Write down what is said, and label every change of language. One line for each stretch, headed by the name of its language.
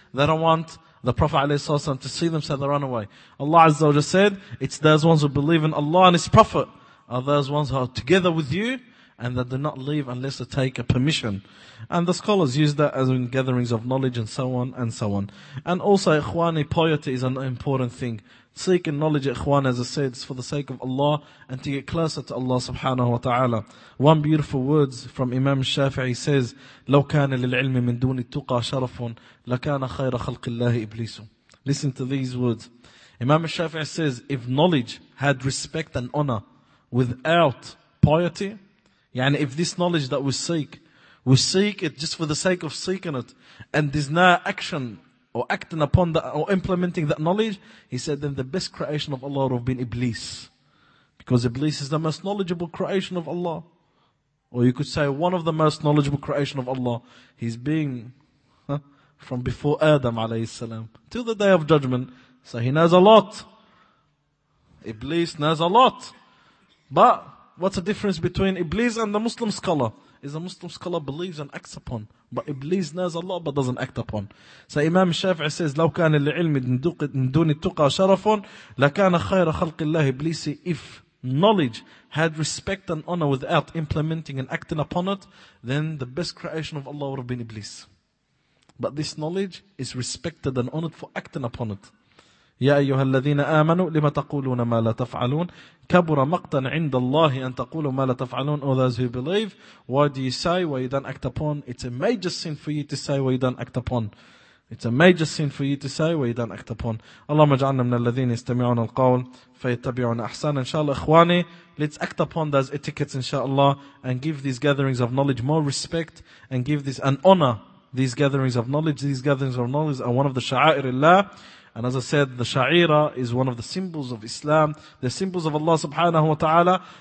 English: They don't want the Prophet ﷺ to see them, so they run away. Allah Azza wa Jalla said, it's those ones who believe in Allah and His Prophet are those ones who are together with you and that do not leave unless they take a permission. And the scholars use that as in gatherings of knowledge and so on and so on. And also, ikhwani, piety is an important thing. Seeking knowledge, ikhwan, as I said, is for the sake of Allah and to get closer to Allah subhanahu wa ta'ala. One beautiful words from Imam Shafi'i says,
Arabic: لو كان للعلم من دون التقى شرف لكان خير خلق الله إبليس.
English: Listen to these words. Imam Shafi'i says, if knowledge had respect and honor without piety, yani if this knowledge that we seek it just for the sake of seeking it, and there's no action or acting upon that, or implementing that knowledge, he said, then the best creation of Allah would have been Iblis. Because Iblis is the most knowledgeable creation of Allah. Or you could say one of the most knowledgeable creation of Allah. He's been from before Adam alayhi salam till the day of judgment. So he knows a lot. Iblis knows a lot. But what's the difference between Iblis and the Muslim scholar? Is a Muslim scholar believes and acts upon. But Iblis knows Allah but doesn't act upon. So Imam Shafi'i says,
Arabic: لَوْ كَانَ الْعِلْمِ دُونِ التُقَى شَرَفٌ لَكَانَ خَيْرَ خَلْقِ اللَّهِ إِبْلِيسِ.
English: If knowledge had respect and honor without implementing and acting upon it, then the best creation of Allah would have been Iblis. But this knowledge is respected and honored for acting upon it.
Arabic: يا أيها الذين آمنوا لما تقولون ما لا تفعلون كبر مقتا عند الله أن تقولوا ما لا تفعلون.
English: All those who believe, why do you say what you don't act upon? It's a major sin for you to say what you don't act upon. It's a major sin for you to say what you don't act upon.
Arabic: اللهم اجعلنا من الذين يستمعون القول فيتبعون أحسن. إن شاء الله إخواني,
English: let's act upon those etiquettes inshallah and give these gatherings of knowledge more respect and give this and honor these gatherings of knowledge. These gatherings of knowledge are one of the sha'air Allah. And as I said, the Sha'ira is one of the symbols of Islam, the symbols of Allah subhanahu wa ta'ala.